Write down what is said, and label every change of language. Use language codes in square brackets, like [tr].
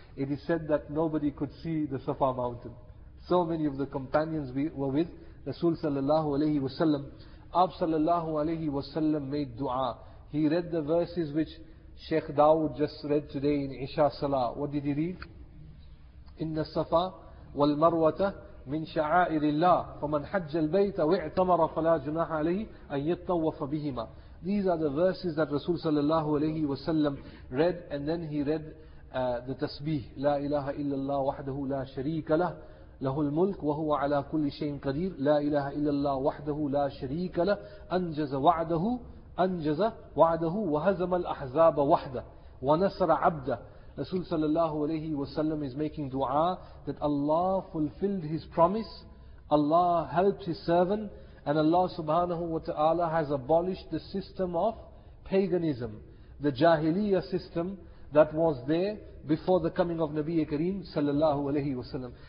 [en] It is said that nobody could see the Safa mountain. So many of the companions were with Rasul sallallahu alayhi wa sallam. Ab sallallahu alayhi wa sallam made dua. He read the verses which Shaykh Dawood just read today in Isha Salah. What did he read? [ar] Inna Safa wal Marwata من شعائر الله فمن حج البيت واعتمر فلا جناح عليه أن يتطوف بهما. [en] These are the verses that Rasul sallallahu alayhi wa sallam read, and then he read the tasbih, [ar] لا إله إلا الله وحده لا شريك له له الملك وهو على كل شيء قدير. لا إله إلا الله وحده لا شريك له أنجز وعده وهزم الأحزاب وحده ونصر عبده. [en] Rasul sallallahu alayhi wa sallam is making dua that Allah fulfilled his promise, Allah helped his servant, and Allah subhanahu wa ta'ala has abolished the system of paganism, the jahiliya system that was there before the coming of Nabi Kareem sallallahu alayhi wa sallam.